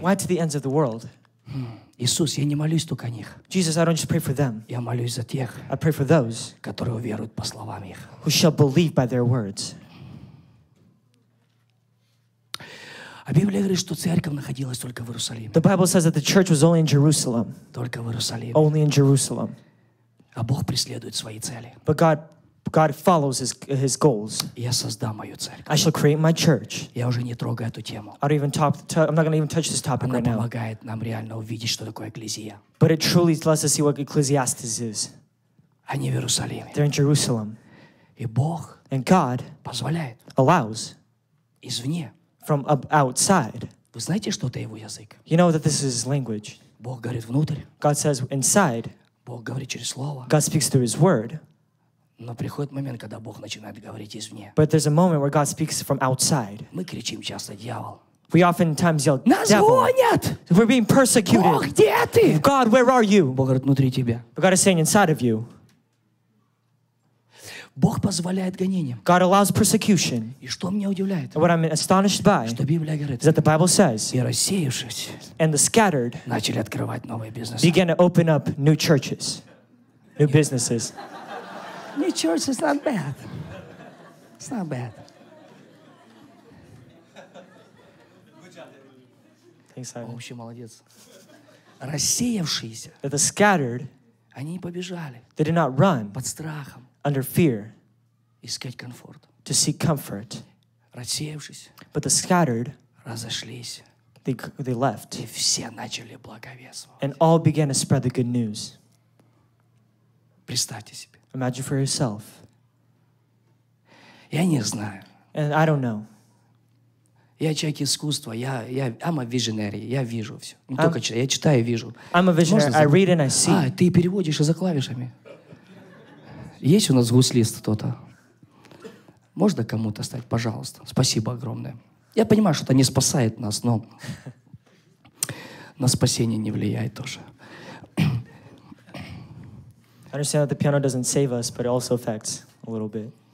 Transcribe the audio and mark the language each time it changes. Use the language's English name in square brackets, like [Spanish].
[English] Why to the ends of the world? [Russian] Иисус, я не молюсь только о них. [English] Jesus, I don't just pray for them. [Russian] Я молюсь за тех, [English] I pray for those, [Russian] которые уверуют по словам их. [English] Who shall believe by their words. [Russian] А Библия говорит, что церковь находилась только в Иерусалиме. [English] The Bible says that the church was only in Jerusalem. [Russian] Только в Иерусалиме. [English] Only in Jerusalem. [Russian] А Бог преследует свои цели. [English] But God follows his goals. [Russian] Я создам мою церковь. [English] I shall create my church. [Russian] Я уже не трогаю эту тему. [English] I'm not going to even touch this topic [Russian] Она [English] right now. [Russian] Она помогает нам реально увидеть, что такое экклезия. [English] But it truly lets us see what ecclesiastes is. [Russian] Они в Иерусалиме. [English] They're in Jerusalem. [Russian] И Бог [English] And God [Russian] позволяет. [English] Allows. [Russian] Извне. [English] From outside. [Russian] Вы знаете, что это его язык? [English] You know that this is his language. [Russian] Бог говорит внутрь. [English] God says inside. [Russian] Бог говорит через слово. [English] God speaks through his word. [Russian] Но приходит момент, когда Бог начинает говорить извне. [English] But there's a moment where God speaks from outside. [Russian] Мы кричим часто, дьявол. [English] We oftentimes yell, [Russian] Нас гонят! [English] We're being persecuted. [Russian] Бог, где ты? [English] God, where are you? [Russian] Бог говорит внутри тебя. [English] But God is saying inside of you. [Russian] Бог позволяет гонениям. [English] God allows persecution. [Russian] И что меня удивляет? [English] What I'm astonished by. [Russian] Что Библия говорит? [English] Is that the Bible says. [Russian] И рассеявшись. [English] And the scattered. [Russian] Начали открывать новые бизнесы. [English] Began to open up new churches. New businesses. New church is not bad. It's not bad. Thanks, Simon. [Russian] Вообще молодец. Рассеявшиеся. [English] That the scattered. [Russian] Они побежали. [English] They did not run. [Russian] Под страхом. [English] Under fear. [Russian] Искать комфорт. [English] To seek comfort. [Russian] Рассеявшись. [English] But the scattered. [Russian] Разошлись. [English] They left. [Russian] И все начали благовествовать. [English] And all began to spread the good news. [Russian] Представьте себе. [English] Imagine for yourself. [Russian] Я не знаю. [English] And I don't know. [Russian] Я человек искусства. [English] I'm a visionary. [Russian] Я вижу все. Не только читаю. Я читаю и вижу. [English] I'm a visionary. I read and I see. [Russian] А, ты переводишь за клавишами. Есть у нас гуслист кто-то? Можно кому-то стать? Пожалуйста. Спасибо огромное. Я понимаю, что это не спасает нас, но на спасение не влияет тоже. [English] I understand that the piano doesn't save us, but it also affects a little bit.